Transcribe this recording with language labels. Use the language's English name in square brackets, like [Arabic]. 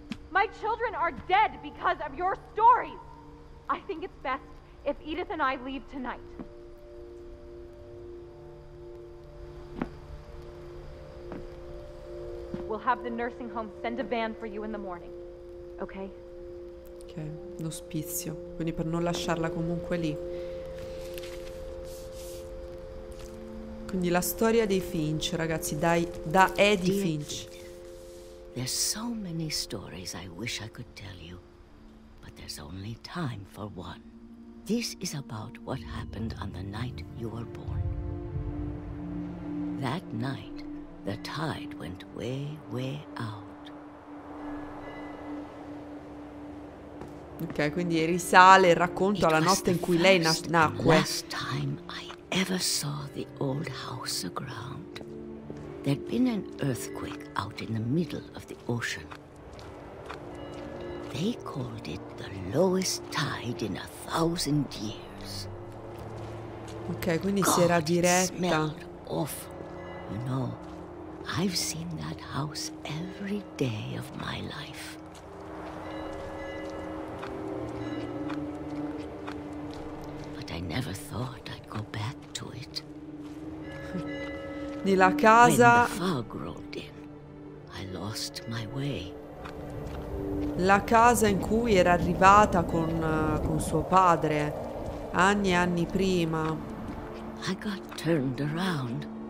[English] My children are dead because of your stories. I think it's best if Edith and I leave tonight. We'll have the nursing home send a van for you in the morning. Okay? [Italian] Okay, l'ospizio, quindi per non lasciarla comunque lì. Quindi la storia dei Finch, ragazzi, da Eddie Finch. [English] There's so many stories I wish I could tell you, but there's only time for one. This is about what happened on the night you were born. That night, the tide went way, way out. [Italian] Ok, quindi risale il racconto alla notte in cui lei nacque. [English] Last time I ever saw the old house aground. There'd been an earthquake out in the middle of the ocean. They called it the lowest tide in a thousand years. [Italian] Ok, quindi si era diretta. [English] God, it smelled awful. You know, I've seen that house every day of my life. But I never thought I'd go back to it. [Italian] Di la casa. [English] When the fog rolled in, I lost my way. [Italian] La casa in cui era arrivata con suo padre anni e anni prima. [English] I got turned around.